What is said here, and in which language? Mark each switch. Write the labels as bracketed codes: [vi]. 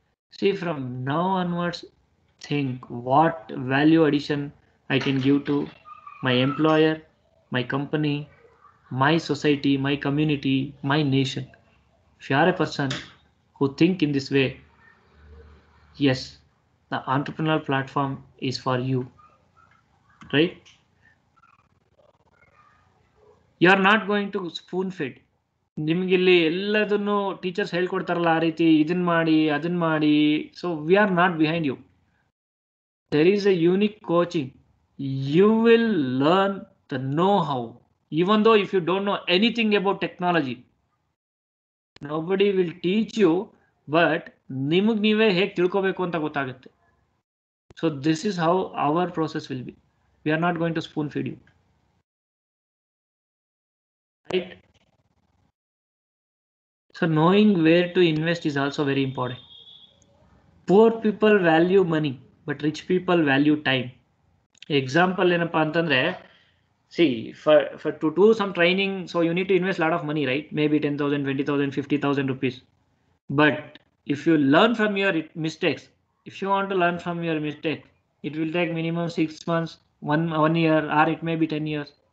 [en] See, from now onwards, think what value addition I can give to my employer, my company, my society, my community, my nation. If you are a person who think in this way, yes, the entrepreneurial platform is for you, right? You are not going to spoon feed. [kn] ನಿಮಗಿಲ್ಲಿ ಎಲ್ಲದನ್ನು teachers ಹೇಳ್ಕೊಡ್ತಾರಲ್ಲ ಆ ರೀತಿ ಇದನ್ನ ಮಾಡಿ ಅದನ್ನ ಮಾಡಿ [en] so we are not behind you there is a unique coaching you will learn the know how even though if you don't know anything about technology nobody will teach you but [kn] ನಿಮಗೆ ನೀವೇ ಹೇಗೆ ತಿಳ್ಕೋಬೇಕು ಅಂತ ಗೊತ್ತಾಗುತ್ತೆ [en] So this is how our process will be we are not going to spoon feed you right So knowing where to invest is also very important. Poor people value money, but rich people value time. Example, [kn] enappa antandre, [en] see, for to do some training, so you need to invest a lot of money, right? Maybe 10,000, 20,000, 50,000 rupees. But if you learn from your mistakes, if you want to learn from your mistake, it will take minimum 6 months, one year, or it may be 10 years.